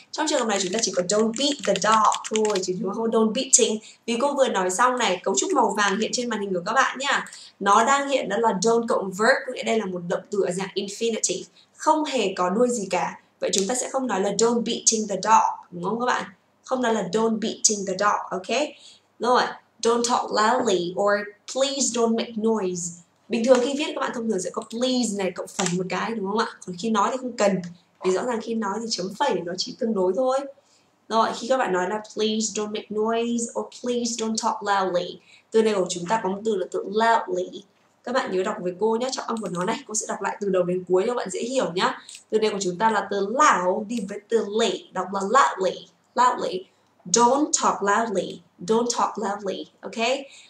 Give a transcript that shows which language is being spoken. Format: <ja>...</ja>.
<vi>Trong trường hợp này chúng ta chỉ có</vi> <en>don't beat the dog</en> <vi>thôi, chứ chúng ta không có</vi> <en>don't beating.</en> <vi>Vì cô vừa nói xong này, cấu trúc màu vàng hiện trên màn hình của các bạn nha. Nó đang hiện đó là don't cộng verb, nghĩa đây là một động từ ở dạng infinitive, không hề có đuôi gì cả. Vậy chúng ta sẽ không nói là</vi> <en>don't beating the dog,</en> <vi>đúng không các bạn? Không nói là don't beating the dog, ok?</vi> <en>Rồi, don't talk loudly or please don't make noise.</en> <vi>Bình thường khi viết các bạn thông thường sẽ có please này cộng phẩy một cái đúng không ạ? Còn khi nói thì không cần. Vì rõ ràng khi nói thì chấm phẩy nó chỉ tương đối thôi. Rồi, khi các bạn nói là</vi> <en>please don't make noise or please don't talk loudly.</en> <vi>Từ này của chúng ta có một từ là từ loudly. Các bạn nhớ đọc với cô nhé, trọng âm của nó này. Cô sẽ đọc lại từ đầu đến cuối cho bạn dễ hiểu nhé. Từ này của chúng ta là từ loud đi với từ lì. Đọc là loudly, loudly.</vi> <en>Don't talk loudly, don't talk loudly, ok?</en>